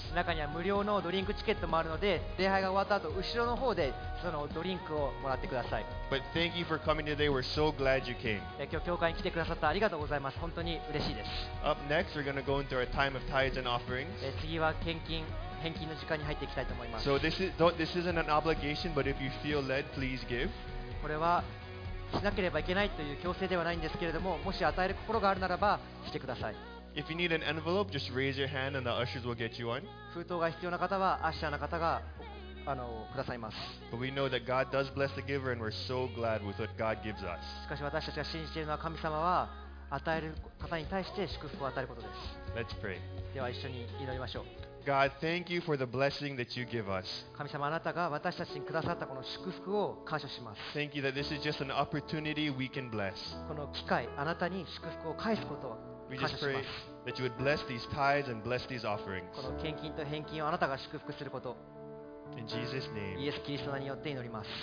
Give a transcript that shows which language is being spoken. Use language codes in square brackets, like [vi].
[ja] 中には無料のドリンクチケットもあるので礼拝が終わった後後ろの方でそのドリンクをもらってください。 [en] But thank you for coming today. We're so glad you came. [ja] 今日教会に来てくださったありがとうございます。本当に嬉しいです。 [en] Up next, we're going to go into our time of tithes and offerings. [ja] 次は返金の時間に入っていきたいと思います。 [en] So this isn't an obligation, but if you feel led, please give. [ja] これはしなければいけないという強制ではないんですけれども、もし与える心があるならばしてください。 [en] If you need an envelope, just raise your hand and the ushers will get you one. [ja] 封筒が必要な方はアッシャーの方がくださいます。 [en] But we know that God does bless the giver and we're so glad with what God gives us. [ja] しかし私たちが信じているのは神様は与える方に対して祝福を与えることです。 [en] Let's pray. [ja] では一緒に祈りましょう。 [en] God, thank you for the blessing that you give us. [ja] 神様、あなたが私たちにくださったこの祝福を感謝します。 [en] Thank you that this is just an opportunity we can bless. [ja] この機会、あなたに祝福を返すことを感謝します。 [en] We just pray that you would bless these tithes and bless these offerings. [ja] この献金と返金をあなたが祝福すること。 [en] In Jesus' name. [ja] イエス・キリストの名によって祈ります。